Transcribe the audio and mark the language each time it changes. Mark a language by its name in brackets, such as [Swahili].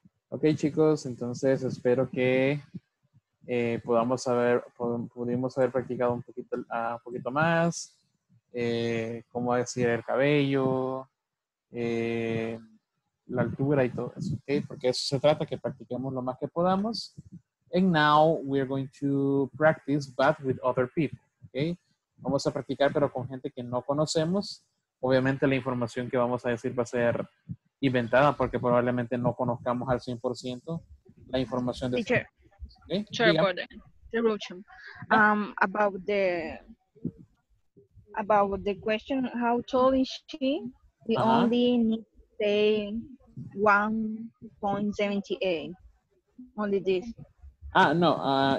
[Spanish] Ok, chicos, entonces espero que pudimos haber practicado un poquito más, cómo decir el cabello, la altura y todo eso, okay? Porque eso se trata, que practiquemos lo más que podamos. [English] And now we are going to practice, but with other people, okay? [Spanish] Vamos a practicar, pero con gente que no conocemos. Obviamente la información que vamos a decir va a ser inventada porque probablemente no conozcamos al 100% la información de [English] teacher. Okay, sure, about the question, how tall is she? We only need to say 1.78. Only this. Ah, no.